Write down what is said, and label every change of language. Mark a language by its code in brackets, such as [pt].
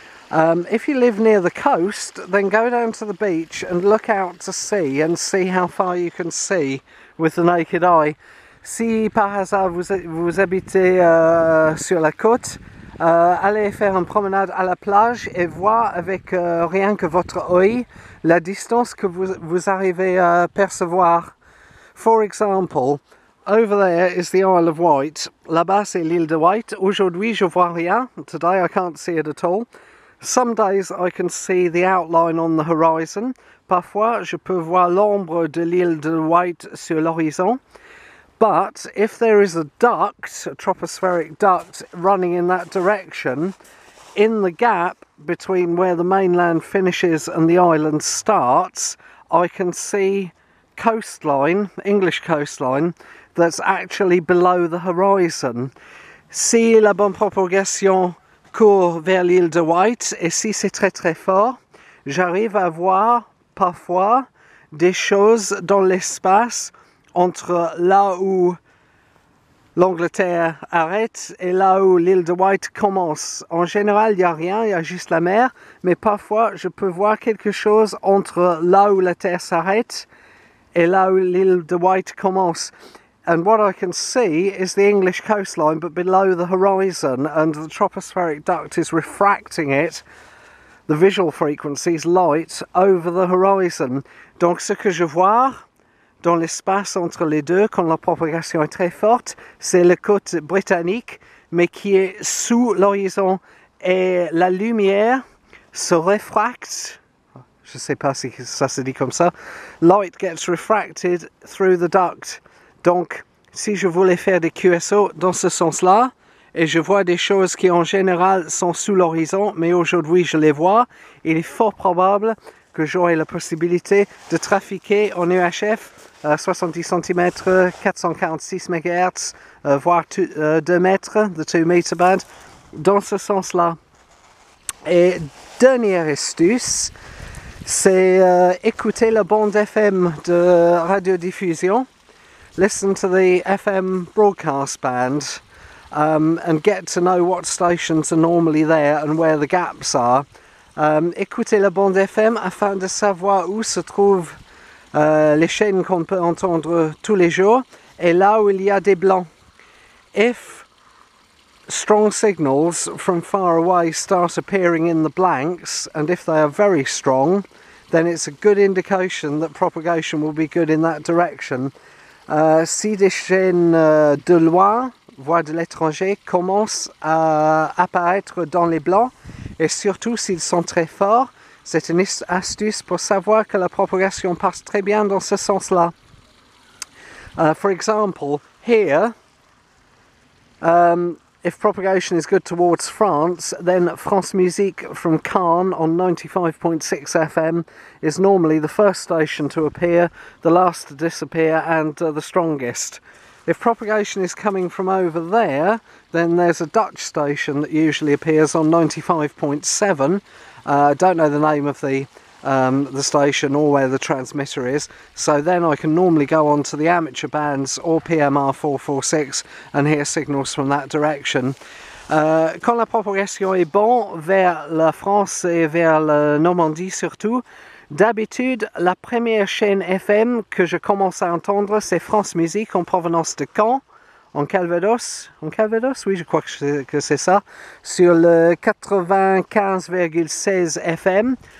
[en] If you live near the coast, then go down to the beach and look out to sea and see how far you can see with the naked eye. [fr] Si par hasard vous habitez sur la côte, allez faire une promenade à la plage et voir avec rien que votre œil la distance que vous arrivez à percevoir. [en] For example, over there is the Isle of Wight. [fr] Là-bas c'est l'île de Wight. Aujourd'hui je vois rien. [en] Today I can't see it at all. Some days I can see the outline on the horizon. [fr] Parfois, je peux voir l'ombre de l'île de Wight sur l'horizon. [en] But if there is a duct, a tropospheric duct, running in that direction, in the gap between where the mainland finishes and the island starts, I can see coastline, English coastline, that's actually below the horizon. [fr] Si la bonne propagation cours vers l'île de Wight, et si c'est très très fort, j'arrive à voir parfois des choses dans l'espace entre là où l'Angleterre arrête et là où l'île de Wight commence. En général, il n'y a rien, il y a juste la mer, mais parfois je peux voir quelque chose entre là où la terre s'arrête et là où l'île de Wight commence. [en] And what I can see is the English coastline, but below the horizon, and the tropospheric duct is refracting it, the visual frequencies, light, over the horizon. [fr] Donc ce que je vois dans l'espace entre les deux, quand la propagation est très forte, c'est la côte britannique, mais qui est sous l'horizon, et la lumière se refracte. Je ne sais pas si ça se dit comme ça. [en] Light gets refracted through the duct. [fr] Donc, si je voulais faire des QSO dans ce sens-là, et je vois des choses qui en général sont sous l'horizon, mais aujourd'hui je les vois, il est fort probable que j'aurai la possibilité de trafiquer en UHF à 70 cm, 446 MHz, voire 2 mètres, [en] the 2 meter band, [fr] dans ce sens-là. Et dernière astuce, c'est écouter la bande FM de radiodiffusion. [en] Listen to the FM broadcast band and get to know what stations are normally there and where the gaps are. [fr] Écoutez la bande FM afin de savoir où se trouvent les chaînes qu'on peut entendre tous les jours et là où il y a des blancs. [en] If strong signals from far away start appearing in the blanks, and if they are very strong, then it's a good indication that propagation will be good in that direction. [fr] Si des chaînes de loin, voire de l'étranger, commencent à apparaître dans les blancs, et surtout s'ils sont très forts, c'est une astuce pour savoir que la propagation passe très bien dans ce sens-là. [en] For example, here, if propagation is good towards France, then France Musique from Caen on 95.6 FM is normally the first station to appear, the last to disappear, and the strongest. If propagation is coming from over there, then there's a Dutch station that usually appears on 95.7. Don't know the name of the station or where the transmitter is, so then I can normally go on to the amateur bands or PMR446 and hear signals from that direction. [fr] Quand la propagation est bonne vers la France et vers la Normandie surtout, d'habitude, la première chaîne FM que je commence à entendre, c'est France Musique en provenance de Caen, en Calvados, oui, je crois que c'est ça, sur le 95,16 FM.